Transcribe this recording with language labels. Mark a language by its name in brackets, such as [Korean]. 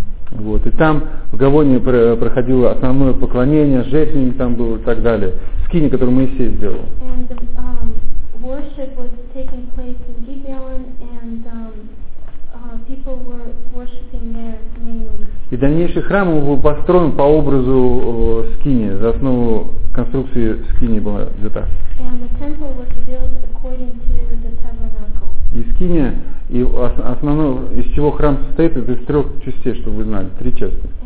[Russian] Вот, и там в Гаваоне проходило основное поклонение, жертвенник там был и так далее, скиния, которую Моисей сделал. [English] And worship was taking place in Gibeon, and people were worshiping there mainly. [Russian] И дальнейший храм был построен по образу скинии, за основу конструкции скинии была взята. [English] And the temple was built according to the tabernacle. [Russian] И скиния, и основное, из чего храм состоит, это из трех частей, чтобы вы знали, три части.